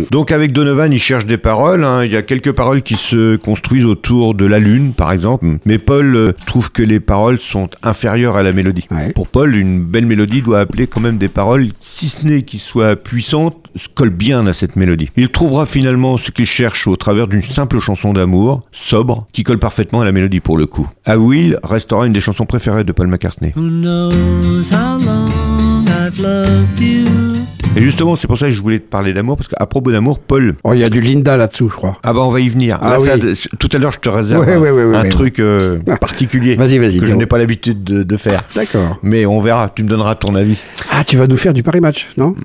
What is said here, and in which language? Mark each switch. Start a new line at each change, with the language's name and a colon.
French: Donc avec Donovan, il cherche des paroles, hein. Il y a quelques paroles qui se construisent autour de la lune, par exemple, mais Paul trouve que les paroles sont inférieures à la mélodie. Ouais. Pour Paul, une belle mélodie doit appeler quand même des paroles, si ce n'est qu'ils soient puissantes, se collent bien à cette mélodie. Il trouvera finalement ce qu'il cherche au travers d'une simple chanson d'amour, sobre, qui colle parfaitement à la mélodie pour le coup. A Will restera une des chansons préférées de Paul McCartney.
English: Who knows how long I've loved you.
French: Et justement, c'est pour ça que je voulais te parler d'amour, parce qu'à propos d'amour, Paul... Oh, il y a du Linda là-dessous, je crois. Ah bah, on va y venir. Ah, là, oui. Tout à l'heure, je te réserve truc particulier que je n'ai pas l'habitude de faire. D'accord. Mais on verra, tu me donneras ton avis. Ah, tu vas nous faire du Paris Match, non ?